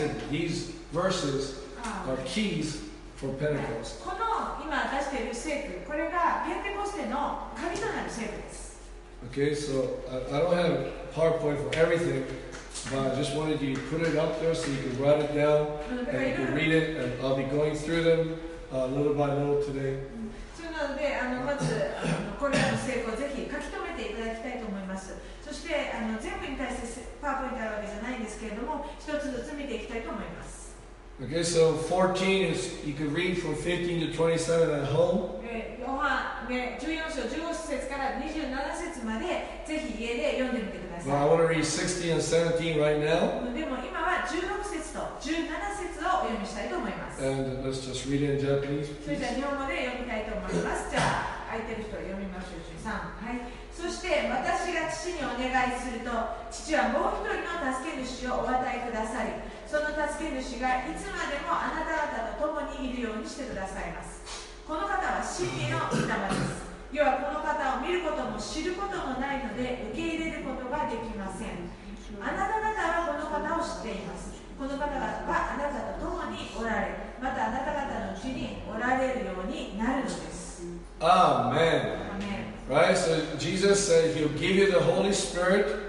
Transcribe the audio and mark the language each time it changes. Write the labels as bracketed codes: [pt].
[en] These verses are keys for Pentecost. [ja] この今出している聖句、これがペンテコステの鍵となる聖句です。 [en] Okay, so I don't have a PowerPoint for everything, but I just wanted you to put it up there so you can write it down and you can read it, and I'll be going through them little by little today. [ja] そしてあの全部に対してパワーポイントあるわけじゃないんですけれども一つずつ見ていきたいと思います。 [en] OK, so 14 is you can read from 15 to 27 at home. [ja] ヨハネ14章15節から27節までぜひ家で読んでみてください。 [en] Well, I want to read 16 and 17 right now. [ja] でも今は16節と17節をお読みしたいと思います。 [en] And let's just read it in Japanese, please. [ja] それじゃあ日本語で読みたいと思います。じゃあ空いてる人読みましょう。13、はい。そして私が父にお願いすると父はもう一人の助け主をお与えくださり、その助け主がいつまでもあなた方と共にいるようにしてくださいます。この方は真理の御霊です。要はこの方を見ることも知ることもないので受け入れることができません。あなた方はこの方を知っています。この方はあなたと共におられ、またあなた方のうちにおられるようになるのです。アーメン。 [en] Right, so Jesus said he'll give you the Holy Spirit.